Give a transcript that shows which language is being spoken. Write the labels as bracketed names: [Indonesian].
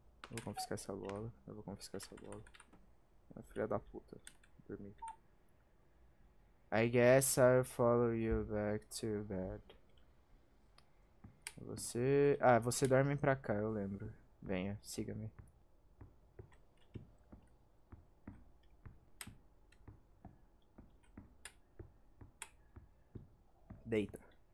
[Portuguese] Eu vou confiscar essa bola. Eu vou confiscar essa bola. A filha da puta. Dormir. [English] I guess I'll follow you back to bed. [Portuguese] Você. Ah, você dorme pra cá, eu lembro. Venha, siga-me. Deita.